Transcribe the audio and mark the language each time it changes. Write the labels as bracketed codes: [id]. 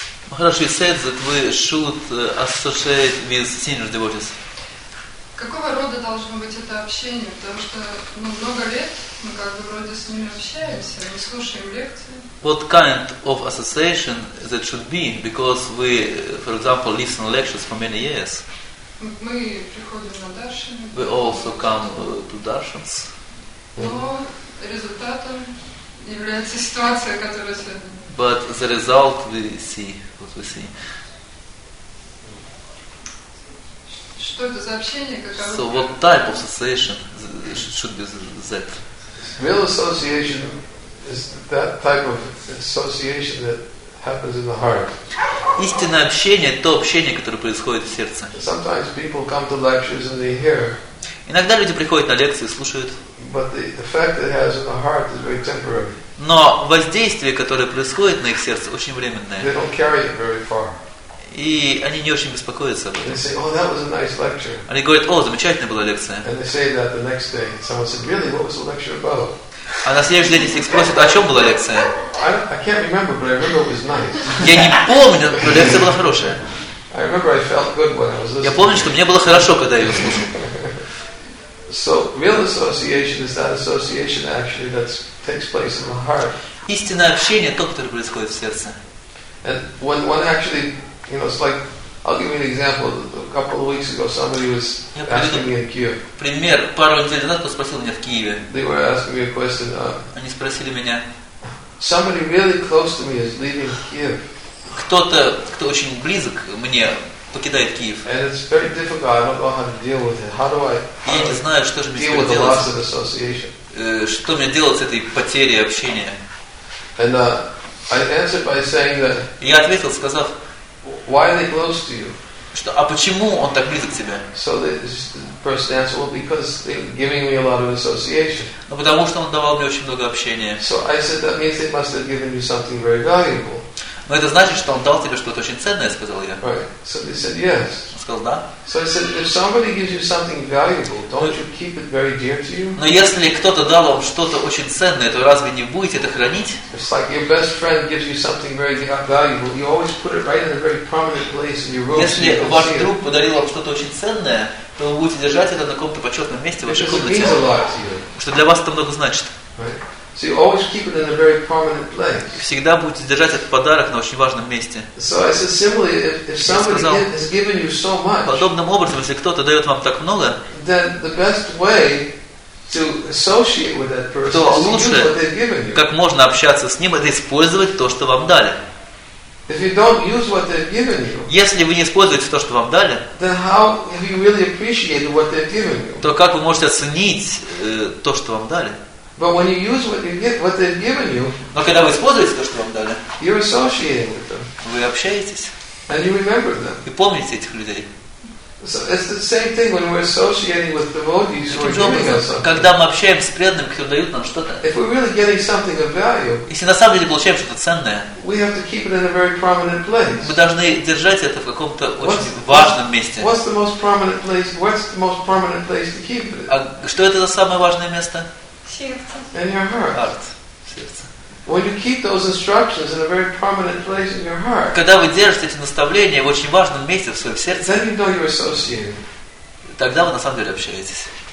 [en] Maharaj, you said that we should associate with senior devotees. [ru] Какого рода должно быть это общение? Потому что ну, много лет мы как бы вроде с ними общаемся, мы слушаем лекции. [en] What kind of association that should be? Because we, for example, listen to lectures for many years. [ru] Мы приходим на даршины. [en] We also come to darshans. [ru] Но результатом является ситуация, которая сегодня. [en] But the result we see, what we see. So what type of association should be that? Real association is that type of association that happens in the heart. [ru] Истинное общение – то общение, которое происходит в сердце. [en] Sometimes people come to lectures and they hear. [ru] Иногда люди приходят на лекции и слушают. [en] But the effect it has in the heart is very temporary. [ru] Но воздействие, которое происходит на их сердце, очень временное. [en] They don't carry it very far. [ru] И они не очень беспокоятся об этом. [en] They say, oh, that was a nice lecture. [ru] Они говорят, о, замечательная была лекция. [en] And they say that the next day. Someone said, really, what was the lecture about? [ru] А на следующий день если их спросят, о чем была лекция? [en] I can't remember, but I remember it was nice. [ru] Я не помню, но лекция была хорошая. [en] I remember I felt good when I was listening. [ru] Я помню, что мне было хорошо, когда я ее слушал. [en] So, real association is that association actually that takes place in the heart. [ru] Истинное общение то, которое происходит в сердце. [en] And when one actually... You know, it's like I'll give you an example. A couple of weeks ago, somebody was asking me in Kyiv. [ru] Пример пару недель назад кто спросил меня в Киеве. [en] They were asking me a question. [ru] Они спросили меня. [en] Somebody really close to me is leaving Kyiv. [ru] Кто-то, кто очень близок мне, покидает Киев. [en] And it's very difficult. I don't know how to deal with it. How do I? [ru] Я не знаю, что же мне делать. [en] Deal with the loss of association. [ru] Что мне делать с этой потерей общения? [en] And I answered by saying that. [ru] Я ответил, сказав. [en] Why are they close to you? [ru] Что, а почему он так близок к тебе? [en] So the person answered, well, because they're giving me a lot of association. [ru] Ну, потому что он давал мне очень много общения. [en] So I said that means they must have given you something very valuable. [ru] Но это значит, что он дал тебе что-то очень ценное, сказал я. [en] Right. So they said yes. [ru] Он сказал да. [en] So I said, if somebody gives you something valuable, don't you keep it very dear to you? [ru] Но если кто-то дал вам что-то очень ценное, то разве не будете это хранить? [en] It's like your best friend gives you something very valuable. You always put it right in a very prominent place in your room. [ru] Если ваш друг подарил вам что-то очень ценное, то вы будете держать это на каком-то почетном месте в вашей комнате. [en] Because it means a lot to you. [ru] Что для вас это много значит? [en] Right. So you always keep it in a very prominent place. [ru] Всегда будете держать этот подарок на очень важном месте. [en] So I said similarly, if somebody has given you so much, [ru] подобным образом, если кто-то дает вам так много, [en] then the best way to associate with that person is to use what they've given you. [ru] Как можно общаться с ним, это использовать то, что вам дали. [en] If you don't use what they've given you, [ru] если вы не используете то, что вам дали, [en] then how have you really appreciated what they've given you? [ru] То как вы можете оценить то, что вам дали? [en] But when you use what you get, what they've given you, [ru] но когда вы используете то, что вам дали, [en] you're associating with them. [ru] Вы общаетесь. [en] And you remember them. [ru] И помните этих людей. [en] So it's the same thing when we're associating with devotees who are giving us something. [ru] Когда мы общаемся с преданными, которые дают нам что-то. [en] If we're really getting something of value, [ru] если на самом деле получаем что-то ценное, [en] we have to keep it in a very prominent place. [ru] Мы должны держать это в каком-то очень важном месте. [en] What's the most prominent place? What's the most prominent place to keep it? [ru] А что это за самое важное место? Сердце. [en] In your heart. Heart. When you keep those instructions in a very prominent place in your heart, [ru] когда вы держите эти наставления в очень важном месте в своем сердце, [en] then you know you're associated. [ru] Тогда вы на самом деле общаетесь.